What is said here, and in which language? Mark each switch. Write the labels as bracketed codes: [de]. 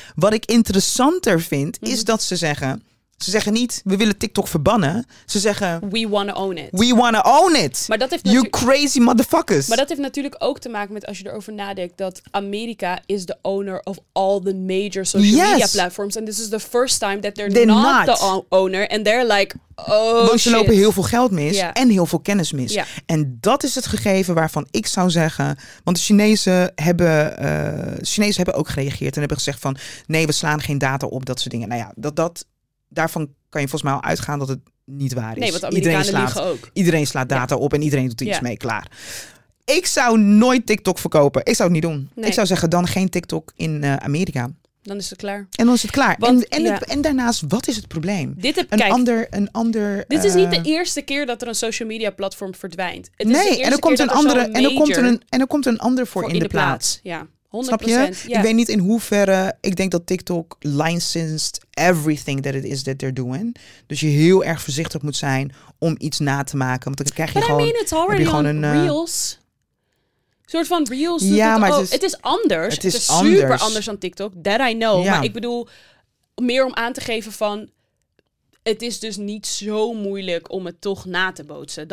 [nl] Wat ik interessanter vind, is dat ze zeggen niet, we willen TikTok verbannen. Ze zeggen, [en] we wanna own it. We wanna own it. [nl] Maar dat heeft [en] you crazy motherfuckers. [nl] Maar dat heeft natuurlijk ook te maken met, als je erover nadenkt, dat Amerika is [en] the owner of all the major social media platforms. And this is the first time that they're not the owner. And they're like, oh shit. [nl] Want ze lopen heel veel geld mis en heel veel kennis mis. [en] Yeah. [nl] En dat is het gegeven waarvan ik zou zeggen, want de Chinezen hebben ook gereageerd en hebben gezegd van, nee, we slaan geen data op, dat soort dingen. Nou ja, dat daarvan kan je volgens mij al uitgaan dat het niet waar is. Nee, want Amerikanen liegen ook. Iedereen slaat data op en iedereen doet iets mee, klaar. Ik zou nooit TikTok verkopen. Ik zou het niet doen. Nee. Ik zou zeggen, dan geen TikTok in Amerika. Dan is het klaar. En dan is het klaar. Want, en daarnaast, wat is het probleem? Dit heb, Dit is niet de eerste keer dat er een social media platform verdwijnt. Het nee, is de en er komt een andere. En er komt een ander voor in de plaats. Ja, 100%. Snap je? Ja. Ik weet niet in hoeverre. Ik denk dat [en] TikTok licensed everything that it is that they're doing. [nl] Dus je heel erg voorzichtig moet zijn om iets na te maken. Want dan krijg je Reels. Een soort van reels. Ja, maar het is anders. Het is anders. Super anders dan TikTok. [en] That I know. [nl] Ja. Maar ik bedoel, meer om aan te geven van, het is dus niet zo moeilijk om het toch na te bootsen.